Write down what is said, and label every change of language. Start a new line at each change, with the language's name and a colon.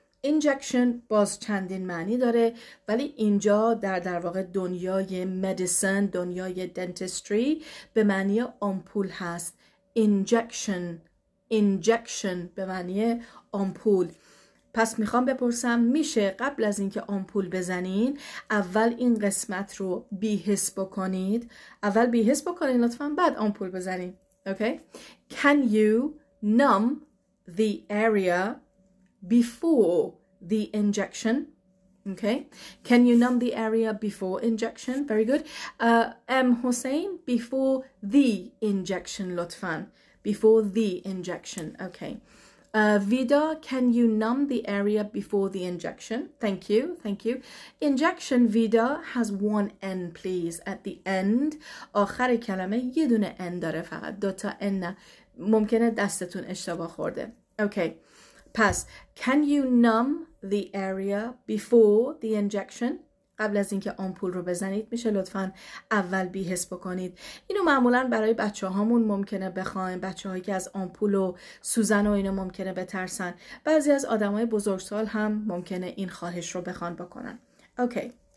Persian: Injection باز چندین معنی داره، ولی اینجا در واقع دنیای medicine، دنیای dentistry به معنی آمپول هست. Injection، injection به معنی آمپول. پس میخوام بپرسم میشه قبل از اینکه آمپول بزنین اول این قسمت رو بیحس بکنید، اول بیحس بکنین لطفا بعد آمپول بزنین.
English: Okay. Can you numb the area before the injection? Okay. Can you numb the area before injection? Very good. M. Hussein, before the injection, lotfan. Before the injection. Okay. Vida, can you numb the area before the injection? Thank you. Thank you. Injection, Vida, has one N, please. At the end.
Persian: آخر کلمه یه دونه N داره فقط. دوتا N. ممکنه دستتون اشتباه خورده.
English: Okay. پس, can you numb the area before the injection?
Persian: قبل از اینکه آمپول رو بزنید میشه لطفاً اول بی‌حس بکنید. اینو معمولاً برای بچه‌هامون ممکنه بخوایم. بچه‌هایی که از آمپول و سوزن و اینو ممکنه بترسن. بعضی از آدم‌های بزرگسال هم ممکنه این خواهش رو بخوان بکنن. اوکی.